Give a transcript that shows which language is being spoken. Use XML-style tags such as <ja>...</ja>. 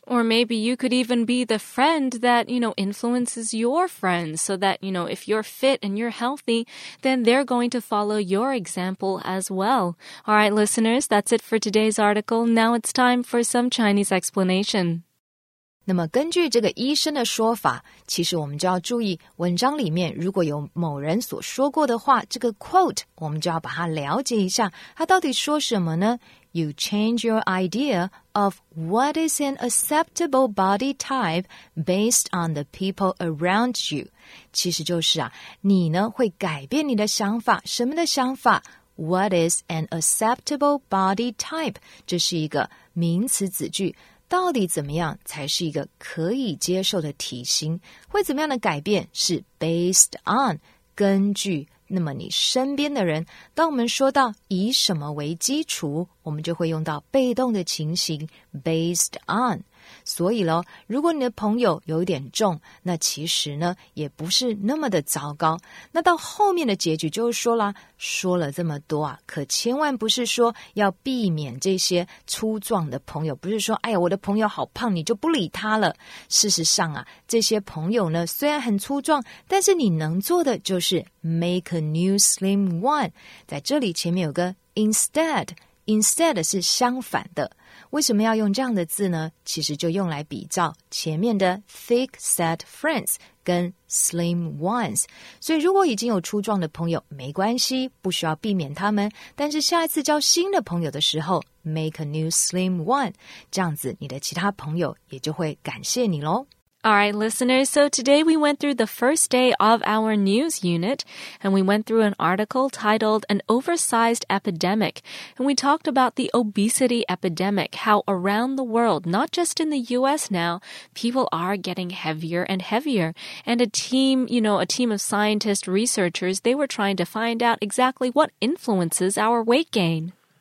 <en>Or maybe you could even be the friend that, you know, influences your friends so that, you know, if you're fit and you're healthy, then they're going to follow your example as well. All right, listeners, that's it for today's article. Now it's time for some Chinese explanation.</en> <zh>那么根据这个医生的说法，其实我们就要注意文章里面如果有某人所说过的话，这个 quote 我们就要把它了解一下，他到底说什么呢？</zh> <en>You change your idea of what is an acceptable body type based on the people around you.</en> <zh>其实就是啊，你呢会改变你的想法，什么的想法？</zh> <en>What is an acceptable body type?</en> <zh>这是一个名词子句，到底怎么样才是一个可以接受的体型？会怎么样的改变？是</zh> <en>based on,</en> <zh>根据。那么你身边的人，当我们说到以什么为基础，我们就会用到被动的情形</zh> <en>based on。</en> <zh>所以咯，如果你的朋友有点重，那其实呢也不是那么的糟糕。那到后面的结局就是说啦，说了这么多啊，可千万不是说要避免这些粗壮的朋友，不是说哎呀我的朋友好胖你就不理他了。事实上啊，这些朋友呢虽然很粗壮，但是你能做的就是</zh> <en>make a new slim one。</en> <zh>在这里前面有个 instead 是相反的，为什么要用这样的字呢？其实就用来比较前面的</zh> <en>thick set friends</en> <zh>跟</zh> <en>slim ones。</en> <zh>所以如果已经有粗壮的朋友没关系，不需要避免他们，但是下一次交新的朋友的时候</zh> <en>make a new slim one，</en> <zh>这样子你的其他朋友也就会感谢你咯。</zh> <en>Alright, listeners, so today we went through the first day of our news unit, and we went through an article titled An Oversized Epidemic, and we talked about the obesity epidemic, how around the world, not just in the U.S. now, people are getting heavier and heavier, and a team of scientist researchers, they were trying to find out exactly what influences our weight gain.</en>